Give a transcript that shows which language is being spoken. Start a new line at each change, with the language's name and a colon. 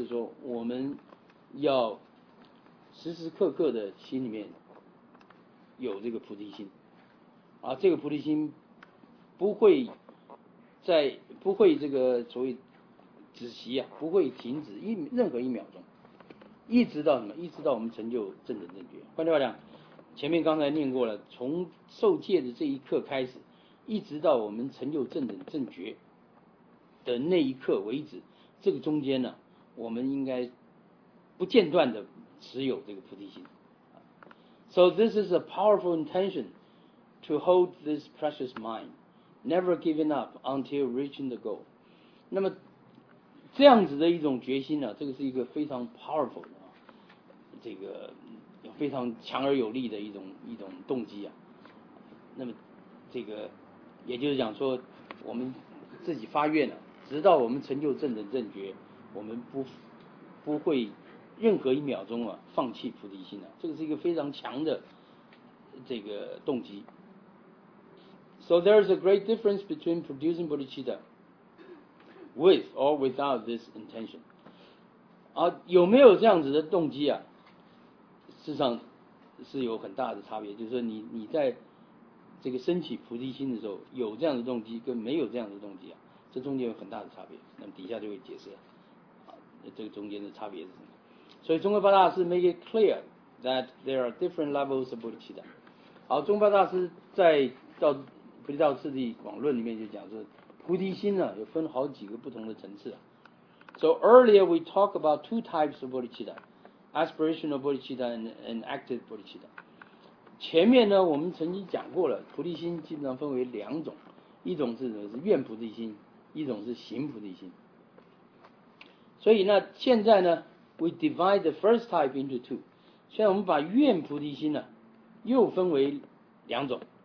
Chinese: 就是说我们要时时刻刻的心里面有这个菩提心，而这个菩提心不会这个所谓止息啊，不会停止任何一秒钟，一直到什么？一直到我们成就正等正觉。换句话讲，前面刚才念过了，从受戒的这一刻开始，一直到我们成就正等正觉的那一刻为止，这个中间呢，我们应该不间断的持有这个菩提心。
English: So this is a powerful intention to hold this precious mind, never giving up until reaching the goal.
Chinese: 那么这样子的一种决心呢、啊，这个是一个非常 powerful 的、啊，这个非常强而有力的一种动机啊。那么这个。也就是讲说，我们自己发愿了，直到我们成就正等正觉，我们不会任何一秒钟啊放弃菩提心了。这个是一个非常强的这个动机。
English: So there is a great difference between producing bodhicitta with or without this intention.
Chinese: 啊，有没有这样子的动机啊？事实上是有很大的差别，就是说你在这个升起菩提心的时候，有这样的动机跟没有这样的动机啊，这中间有很大的差别。那么底下就会解释啊，这个中间的差别是什么。所以中国八大师
English: make it clear that there are different levels of bodhicitta。
Chinese: 好，中国八大师在到《菩提道次第广论》里面就讲说，菩提心呢、啊、有分好几个不同的层次、啊。
English: So earlier we talk about two types of bodhicitta, aspirational bodhicitta and active bodhicitta。
Chinese: 前面呢我们曾经讲过了，菩提心基本上分为两种，一种是什么？是愿菩提心，一种是行菩提心。所以呢现在呢
English: we divide the first type into two，
Chinese: 现在我们把愿菩提心呢又分为两种。